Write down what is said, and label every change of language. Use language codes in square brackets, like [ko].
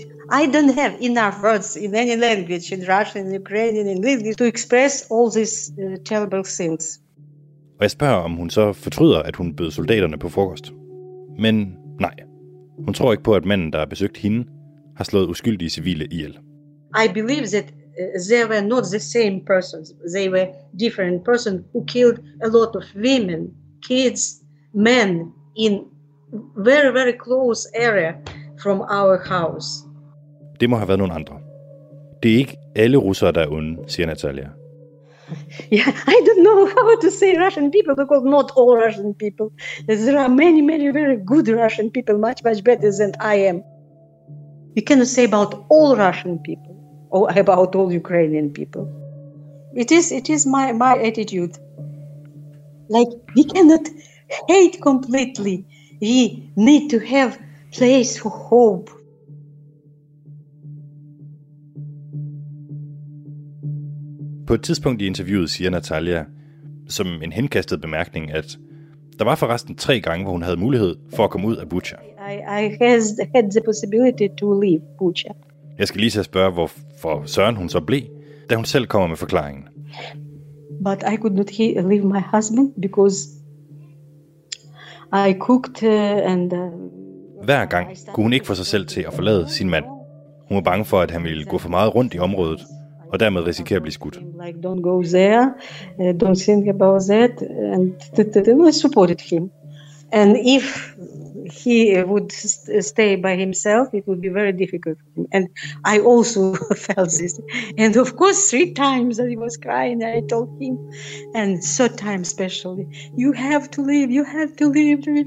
[en] I don't have enough words in any language, in Russian, in Ukrainian, in English, to express all these terrible things. [da] Og jeg spørger, om hun så fortryder, at hun bød soldaterne på frokost. Men nej. Hun tror ikke på, at manden, der har besøgt hende, har slået uskyldige civile ihjel. [en] I believe that they were not the same persons. They were different persons who killed a lot of women, kids, men in very, very close area from our house. [da] Det må have været nogle andre. Det er ikke alle russere, der er onde, siger Natalia. [en] Yeah, I don't know how to say Russian people, because not all Russian people. There are many, many very good Russian people, much, much better than I am. You cannot say about all Russian people or about all Ukrainian people. It is my attitude. Like, we cannot hate completely. We need to have place for hope. [da] På et tidspunkt i interviewet siger Natalia, som en henkastet bemærkning, at der var forresten 3 gange, hvor hun havde mulighed for at komme ud af Bucha. [en] I had the possibility to leave Bucha. [da] Jeg skal lige så spørge, hvorfor Søren hun så blev, da hun selv kommer med forklaringen. [en] But I could not leave my husband because I cooked and [da] Hver gang kunne hun ikke få sig selv til at forlade sin mand. Hun var bange for, at han ville gå for meget rundt i området, og dermed risikere at blive skudt. [en] Like, don't go there, don't think about that, and I supported him. And if he would stay by himself, it would be very difficult for him. And I also felt this. And of course, 3 times that he was crying, I told him, and third time especially, you have to leave, you have to leave.